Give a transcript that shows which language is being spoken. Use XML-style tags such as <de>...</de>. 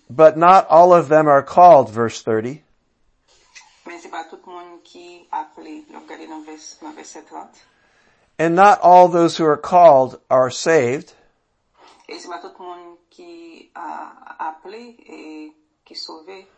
<en>But not all of them are called, verse 30.</en> <fr>Mais c'est pas tout le monde qui appelé. Regardez dans verset 30.</fr> <en>And not all those who are called are saved.</en> <fr>Et c'est pas tout le monde qui a appelé et qui sauvé.</fr>